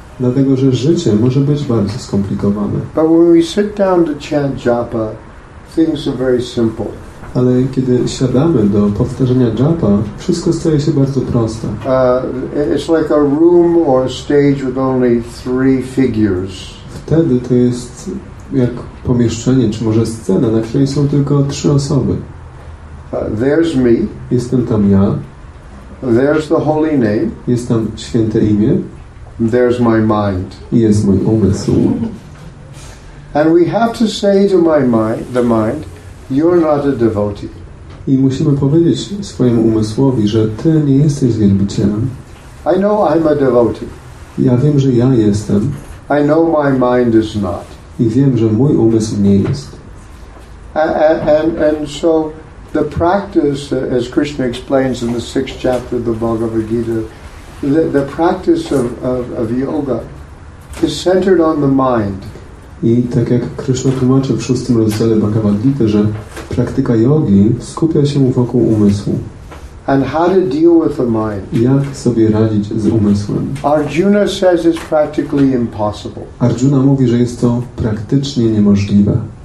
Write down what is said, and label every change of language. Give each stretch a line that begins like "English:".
Polish: Dlatego, że życie może być bardzo skomplikowane.
English: But when we sit down to chant japa, things are very simple.
Polish: Ale kiedy siadamy do powtarzania japa, wszystko staje się bardzo proste.
English: It's like a room or a stage with only three figures.
Polish: Wtedy to jest jak pomieszczenie, czy może scena, na której są tylko trzy osoby.
English: There's me.
Polish: Jestem tam ja.
English: There's the holy name.
Polish: Jest tam święte imię.
English: There's my mind.
Polish: I jest mój umysł.
English: And we have to say to my mind, the mind, you're not a devotee.
Polish: I musimy powiedzieć swojemu umysłowi, że ty nie jesteś wielbicielem.
English: I know I'm a devotee.
Polish: Ja wiem, że ja jestem.
English: I know my mind is not.
Polish: I wiem, że mój umysł nie jest.
English: And so the practice, as Krishna explains in the sixth chapter of the Bhagavad Gita, the practice of yoga is centered on the mind.
Polish: I tak jak Krishna tłumaczy w szóstym rozdziale Bhagavad Gita, że praktyka jogi skupia się wokół umysłu.
English: And how to deal with the mind.
Polish: Jak sobie radzić z umysłem?
English: Arjuna says it's practically impossible.
Polish: Arjuna mówi, że jest to praktycznie niemożliwe.